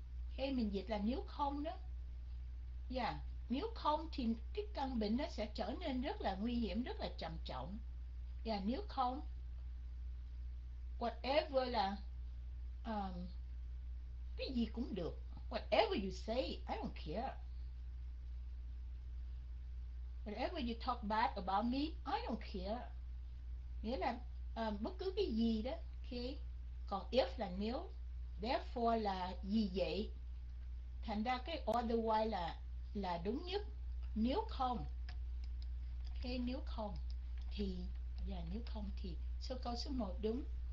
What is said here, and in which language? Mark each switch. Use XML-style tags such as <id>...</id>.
<vi>Okay, mình dịch là nếu không đó. Nếu không thì cái căn bệnh nó sẽ trở nên rất là nguy hiểm, rất là trầm trọng. Nếu không, whatever là cái gì cũng được.</vi> <en>Whatever you say, I don't care. Whatever you talk bad about me, I don't care.</en> <vi>Nghĩa là bất cứ cái gì đó. Okay. Còn if là nếu, therefore là gì vậy. Thành ra cái otherwise là đúng nhất. Nếu không, okay, nếu không thì nếu không thì số câu số 1 đúng.</vi>